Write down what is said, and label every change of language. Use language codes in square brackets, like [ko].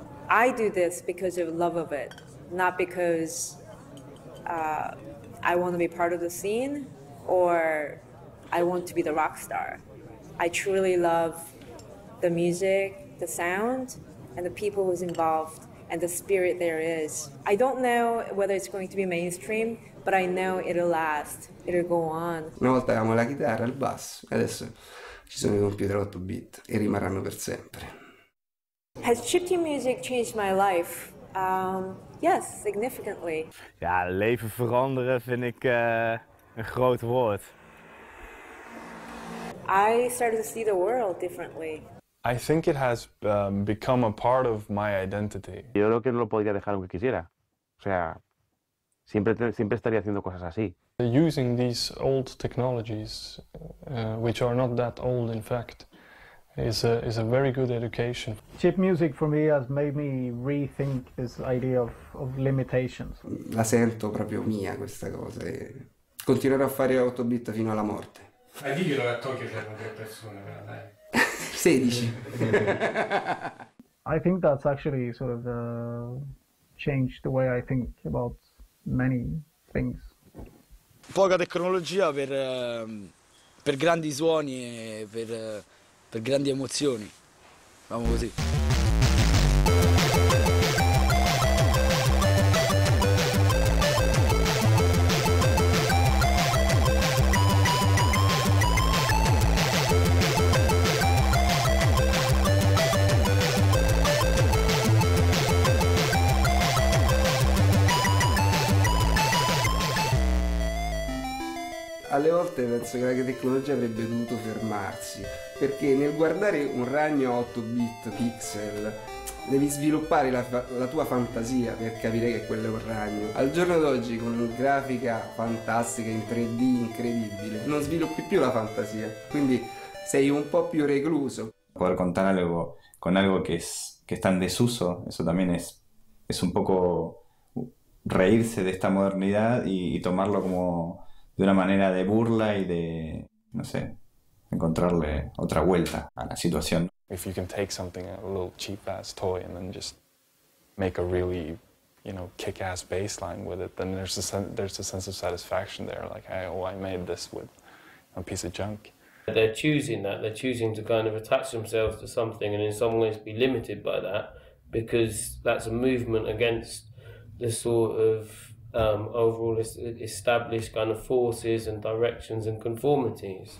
[en] I do this because of love of it, not because I want to be part of the scene or I want to be the rock star. I truly love the music, the sound, and the people who's involved and the spirit there is. I don't know whether it's going to be mainstream, but I know it'll last, it'll go on. [it] Una volta avevamo la chitarra, il basso, adesso ci sono i computer 8 bit e rimarranno per sempre. [en] Has chiptune music changed my life? Yes, significantly. [nl] Ja, leven veranderen vind ik een groot woord. [en] I started to see the world differently. I think it has become a part of my identity. [es] Yo creo que no lo podría dejar aunque quisiera. O sea, siempre estaría haciendo cosas así. [en] Using these old technologies, which are not that old in fact, is a very good education. Chip music for me has made me rethink this idea of limitations. [it] La sento proprio mia questa cosa. Continuerò a fare 8 bit fino alla morte. Ma diglielo a Tokyo, c'erano tre persone, però dai. 16. [en] I think that's actually sort of changed the way I think about many things. [it] Poca tecnologia per grandi suoni e per grandi emozioni. Vamo così. Alle volte penso che la tecnologia avrebbe dovuto fermarsi, perché nel guardare un ragno 8 bit pixel devi sviluppare la tua fantasia per capire che quello è un ragno. Al giorno d'oggi, con una grafica fantastica in 3D incredibile, non sviluppi più la fantasia, quindi sei un po' più recluso. Poter contare [es] algo, con algo [it] che sta in desuso, [es] eso también es un poco reírse de esta modernidad y tomarlo como de una manera de burla y de, no sé, encontrarle otra vuelta a la situación. [en] If you can take something, a little cheap-ass toy, and then just make a really, you know, kick-ass bass line with it, then there's a sense of satisfaction there, like, hey, oh, I made this with a piece of junk. They're choosing that. They're choosing to kind of attach themselves to something and in some ways be limited by that, because that's a movement against the sort of overall established kind of forces and directions and conformities.